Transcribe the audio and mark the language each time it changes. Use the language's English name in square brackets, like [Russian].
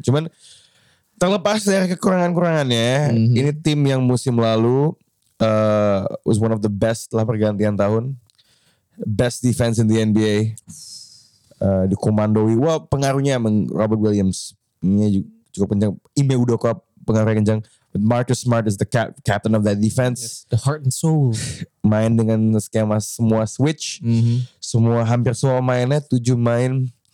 [Indonesian] Cuman terlepas dari kekurangan-kurangannya, ini tim yang musim lalu [English] was one of the best [Indonesian] setelah pergantian tahun, [English] best defense in the NBA, [Indonesian] dikomandoi. Wah, pengaruhnya emang Robert Williams ini cukup kencang. Ime Udoka pengaruhnya kencang. [English] Marcus Smart is the captain of that defense. Yes, the heart and soul. [Indonesian] Main dengan skema semua switch. Semua, hampir semua mainnya, 7 main.